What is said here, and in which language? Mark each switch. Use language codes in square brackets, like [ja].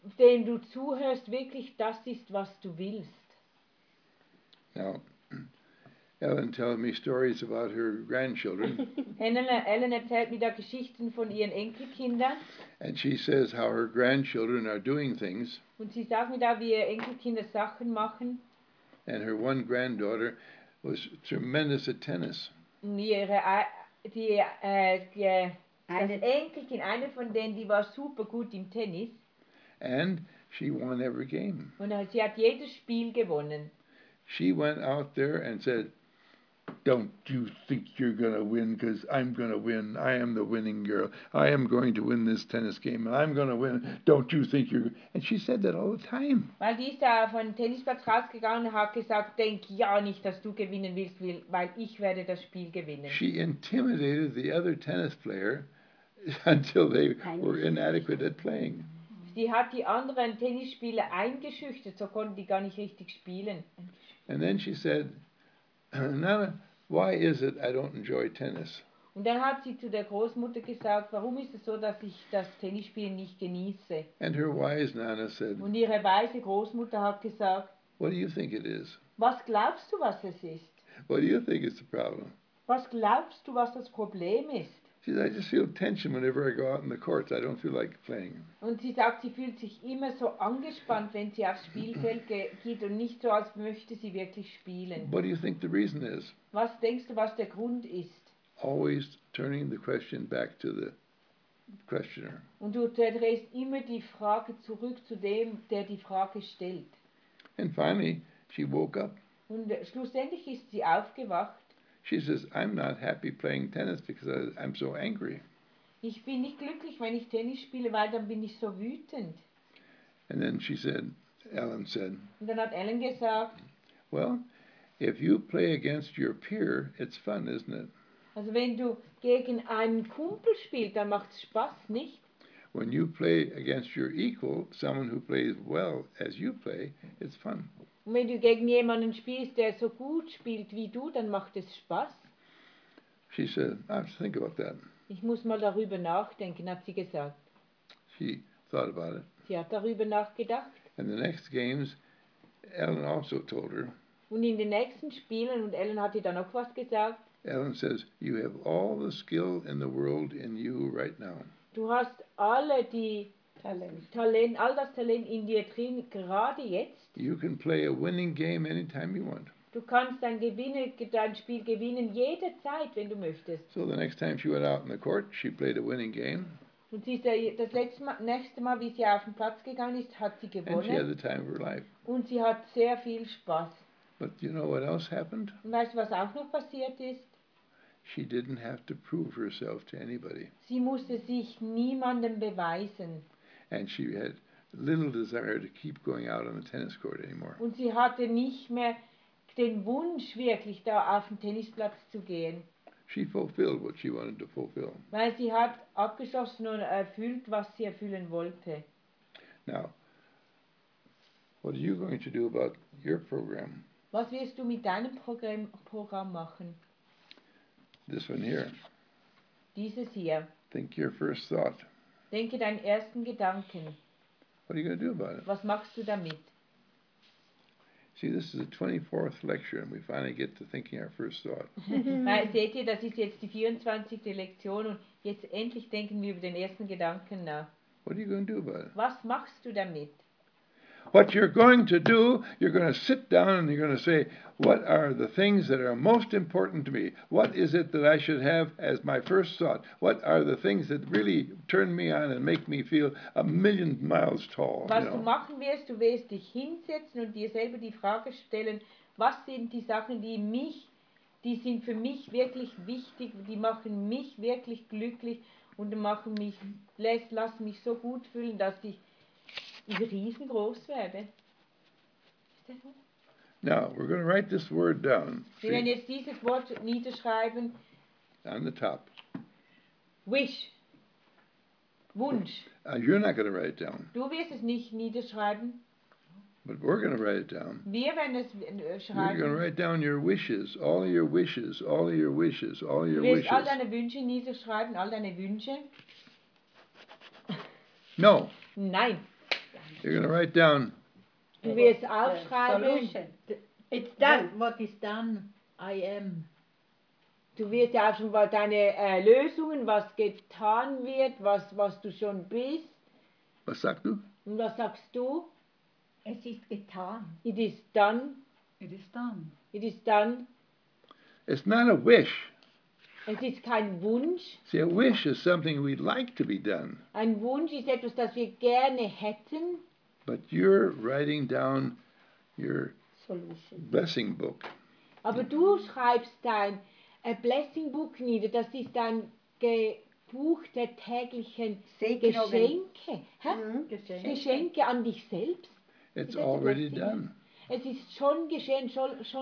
[de] Dem du zuhörst, wirklich das ist, was du willst. [en] Now, Ellen tells me stories about her grandchildren. [de] Ellen erzählt mir da Geschichten von ihren Enkelkindern. [en] And she says how her grandchildren are doing things. [de] Und sie sagt mir da, wie ihre Enkelkinder Sachen machen. [en] And her one granddaughter was tremendous at tennis. [de] Und ihre eine von denen, die war super gut im Tennis. [en] And she won every game. [de] Und sie hat jedes Spiel gewonnen. [en] She went out there and said, "Don't you think you're going to win, because I'm going to win. I am the winning girl. I am going to win this tennis game, and I'm going to win. Don't you think you're..." And she said that all the time. [de] Weil die ist da von Tennisplatz rausgegangen und hat gesagt, denk ja nicht, dass du gewinnen willst, weil ich werde das Spiel gewinnen. [en] She intimidated the other tennis player until they were inadequate at playing. [de] Sie hat die anderen Tennisspieler eingeschüchtert, so konnten die gar nicht richtig spielen. [en] And then she said, "Nana, why is it I don't enjoy tennis?" [de] Und dann hat sie zu der Großmutter gesagt, warum ist es so, dass ich das Tennisspielen nicht genieße? [en] And her wise Nana said, [de] und ihre weise Großmutter hat gesagt, [en] "What do you think it is?" [de] Was glaubst du, was es ist? [en] What do you think is the problem? [de] Was glaubst du, was das Problem ist? [en] She said, "I just feel tension whenever I go out in the courts. I don't feel like playing." [de] Und sie sagt, sie fühlt sich immer so angespannt, wenn sie aufs Spielfeld geht und nicht so, als möchte sie wirklich spielen. [en] What do you think the reason is? [de] Was denkst du, was der Grund ist? [en] Always turning the question back to the questioner. [de] Und du drehst immer die Frage zurück zu dem, der die Frage stellt. [en] And finally, she woke up. [de] Und schlussendlich ist sie aufgewacht. [en] She says, "I'm not happy playing tennis because I'm so angry." [de] Ich bin nicht glücklich, wenn ich Tennis spiele, weil dann bin ich so wütend. [en] And then she said, Ellen said. [de] Und dann hat Ellen gesagt. [en] Well, if you play against your peer, it's fun, isn't it? [de] Also wenn du gegen einen Kumpel spielst, dann macht's Spaß, nicht? [en] When you play against your equal, someone who plays well as you play, it's fun. [de] Und wenn du gegen jemanden spielst, der so gut spielt wie du, dann macht es Spaß. [en] She said, "I'll think about that." [de] Ich muss mal darüber nachdenken, hat sie gesagt. [en] She thought about it. [de] Sie hat darüber nachgedacht. [en] And the next games, Ellen also told her. [de] Und in den nächsten Spielen, und Ellen hat dir dann auch was gesagt. [en] Ellen says, you have all the skill in the world in you right now. [de] Du hast alle die Talent, all das Talent in dir drin, gerade jetzt. [en] You can play a winning game anytime you want. [de] Du kannst dein Spiel gewinnen jederzeit, wenn du möchtest. [en] So the next time she went out on the court, she played a winning game. [de] Und sie ist das nächste Mal, wie sie auf den Platz gegangen ist, hat sie gewonnen. [en] And she had the time of her life. [de] Und sie hat sehr viel Spaß. [en] But you know what else happened? [de] Und weißt du, was auch noch passiert ist? [en] She didn't have to prove herself to anybody. [de] Sie musste sich niemandem beweisen. [en] And she had little desire to keep going out on the tennis court anymore. [de] Und sie hatte nicht mehr den Wunsch, wirklich da auf den Tennisplatz zu gehen. [en] She fulfilled what she wanted to fulfill. [de] Weil sie hat abgeschlossen und erfüllt, was sie erfüllen wollte. [en] Now, what are you going to do about your program? [de] Was wirst du mit deinem Programm machen? [en] This one here. [de] Dieses hier. [en] Think your first thought. [de] Denke deinen ersten Gedanken. [en] What are you going to do about it? [de] Was machst du damit? [en] See, this is the 24th lecture, and we finally get to thinking our first thought. [de] Seht ihr, das ist jetzt die 24. Lektion, und jetzt endlich denken wir über den ersten Gedanken nach. [en] What are you going to do about it? [de] Was machst du damit? [en] What you're going to do, you're going to sit down and you're going to say, what are the things that are most important to me? What is it that I should have as my first thought? What are the things that really turn me on and make me feel a million miles tall? [de] Was du machen wirst, du wirst dich hinsetzen und dir selber die Frage stellen, was sind die Sachen, die sind für mich wirklich wichtig, die machen mich wirklich glücklich und machen mich, lassen mich so gut fühlen, dass ich riesengroß werde. [en] Now, we're going to write this word down. [de] Wir werden jetzt dieses Wort niederschreiben. [en] On the top. Wish. Wunsch. You're not going to write it down. [de] Du wirst es nicht niederschreiben. [en] But we're going to write it down. [de] Wir werden es schreiben. [en] You're going to write down your wishes, all your wishes, all your wishes, all your wishes. [de] Du wirst all deine Wünsche niederschreiben, all deine Wünsche. [en] No. [de] Nein. [en] You're going to write down. [de] Du wirst aufschreiben. [en] It's done. What is done? I am. [de] Du wirst ja auch schon deine Lösungen, was getan wird, was du schon bist. Was sagst du? Und was sagst du? Es ist getan. [en] It is done. It is done. It is done. It's not a wish. [de] Es ist kein Wunsch. [en] See, a wish is something we'd like to be done. [de] Ein Wunsch ist etwas, das wir gerne hätten. [en] But you're writing down your solution. Blessing book. [de] Aber du schreibst dein Blessing book nieder. Das ist dein Buch der täglichen Geschenke. Geschenke an dich selbst. [en] It's already done. [de] Es ist schon geschehen, schon